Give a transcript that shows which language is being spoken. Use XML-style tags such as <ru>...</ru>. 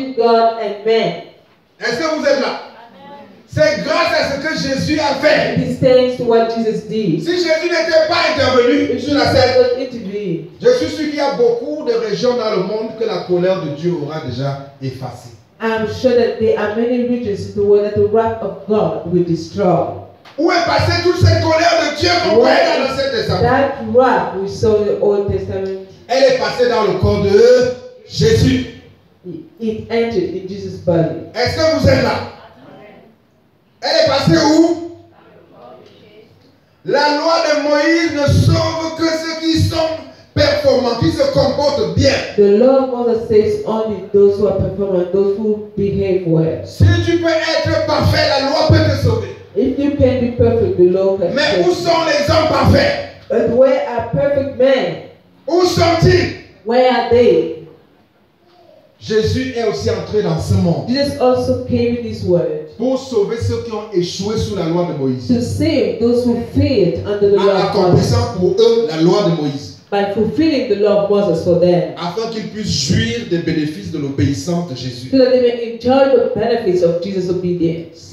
<en>Between God and man.</en> <fr>Est-ce que vous êtes là? C'est grâce à ce que Jésus a fait.</fr> <en>It is thanks to what Jesus did.</en> <fr>Si Jésus n'était pas intervenu, sur la scène, je suis sûr qu'il y a beaucoup de régions dans le monde que la colère de Dieu aura déjà effacée.</fr> <en>I'm sure that there are many regions in the world that the wrath of God will destroy.</en> <fr>Où est passée toute cette colère de Dieu qu'on voyait dans l'Ancien Testament?</fr> <en>That wrath we saw in the Old Testament.</en> <fr>Elle est passée dans le corps de Jésus.</fr> <en>It entered in Jesus' body.</en> <fr>Est-ce que vous êtes là? Elle est passée où? La loi de Moïse ne sauve que ceux qui sont performants, qui se comportent bien.</fr> <en>The law of Moses saves only those who are performant, those who behave well.</en> <fr>Si tu peux être parfait, la loi peut te sauver.</fr> <en>If you can be perfect, the law can save.</en> <fr>Mais où sont les hommes parfaits?</fr> <en>But where are perfect men?</en> <fr>Où sont-ils?</fr> <en>Where are they?</en> <fr>Jésus est aussi entré dans ce monde.</fr> <en>Jesus also came in this world.</en> <fr>Pour sauver ceux qui ont échoué sous la loi de Moïse.</fr> <en>To save those who failed under the law of Moses.</en> <fr>En accomplissant pour eux la loi de Moïse.</fr> <en>By fulfilling the law of Moses for them.</en> <fr>Afin qu'ils puissent jouir des bénéfices de l'obéissance de Jésus.</fr> <en>So that they may enjoy the benefits of Jesus' obedience.</en>